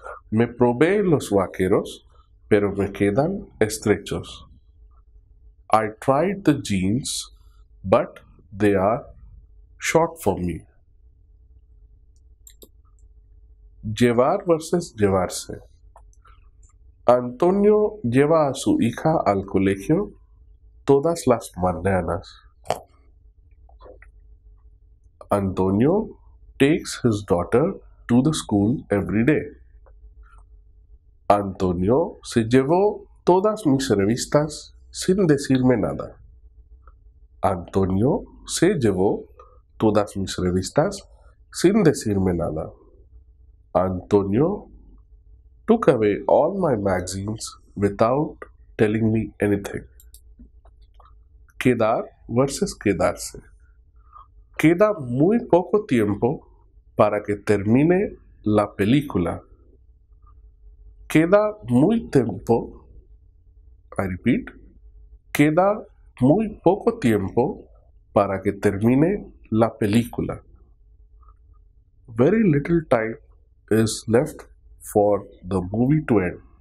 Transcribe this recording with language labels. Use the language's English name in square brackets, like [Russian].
[Spanish] Me probé los vaqueros, pero me quedan estrechos. [English] I tried the jeans, but they are short for me. [Spanish] Llevar versus llevarse. Antonio lleva a su hija al colegio todas las mañanas. [English] Antonio takes his daughter to the school every day. [Spanish] Antonio se llevó todas mis revistas sin decirme nada. Antonio se llevó todas mis revistas sin decirme nada. [English] Antonio took away all my magazines without telling me anything. [Spanish] Quedar versus quedarse. Queda muy poco tiempo para que termine la película. Queda muy tiempo, [English] I repeat, [Spanish] queda muy poco tiempo para que termine la película. [English] Very little time is left for the movie to end.